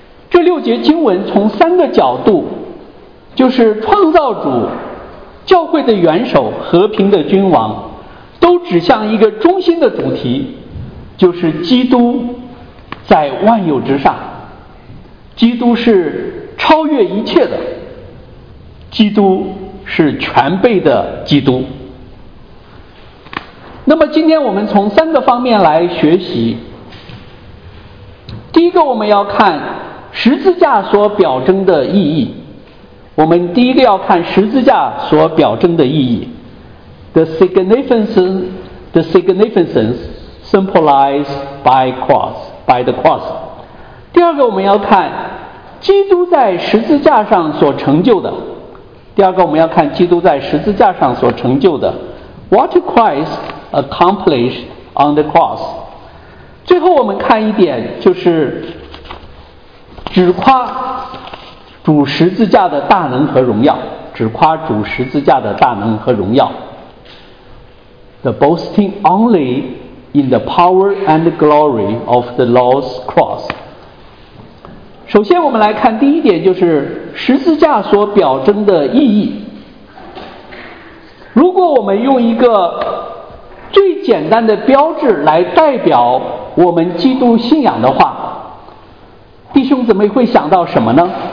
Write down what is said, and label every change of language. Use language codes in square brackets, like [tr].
[zh] 这六节经文从三个角度，就是创造主、教会的元首、和平的君王，都指向一个中心的主题，就是基督在万有之上，基督是超越一切的，基督是全备的基督。那么今天我们从三个方面来学习。第一个，我们要看十字架所表征的意义。我们第一个要看十字架所表征的意义。 [en] The significance symbolized by cross, by the cross. [zh] 第二个，我们要看基督在十字架上所成就的。第二个，我们要看基督在十字架上所成就的。 [en] What Christ accomplished on the cross. [zh] 最后我们看一点，就是只夸主十字架的大能和荣耀，只夸主十字架的大能和荣耀。 [en] The boasting only in the power and glory of the Lord's cross. [zh] 首先我们来看第一点，就是十字架所表征的意义。如果我们用一个最简单的标志来代表我们基督信仰的话，弟兄姊妹会想到什么呢？